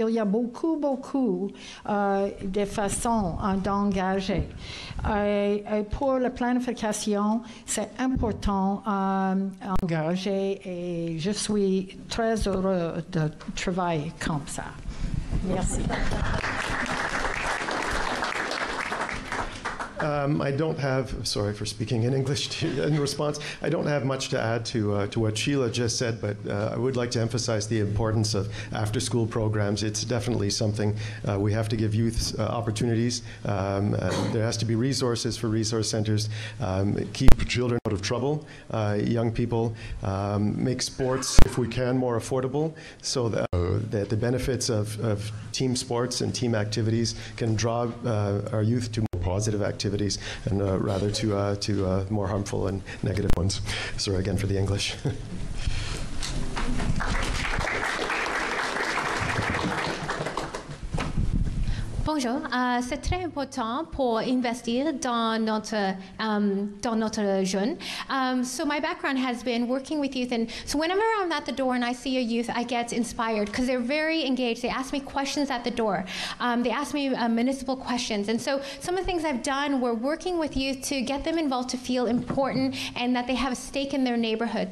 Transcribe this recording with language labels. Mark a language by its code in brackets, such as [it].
[fr] Il y a beaucoup, beaucoup de façons d'engager. Et pour la planification, c'est important d'engager et je suis très heureux de travailler comme ça. Merci. [en] I don't have, sorry for speaking in English in response, I don't have much to add to what Sheila just said, but I would like to emphasize the importance of after-school programs. It's definitely something we have to give youth opportunities. There has to be resources for resource centers, keep children out of trouble, young people, make sports, if we can, more affordable, so that the benefits of team sports and team activities can draw our youth to positive activities and rather to more harmful and negative ones. Sorry again for the English. [fr] Bonjour, c'est très important pour investir dans notre jeune. [en] So my background has been working with youth, and so whenever I'm at the door and I see a youth, I get inspired because they're very engaged. They ask me questions at the door. They ask me municipal questions. And so some of the things I've done were working with youth to get them involved, to feel important and that they have a stake in their neighborhood.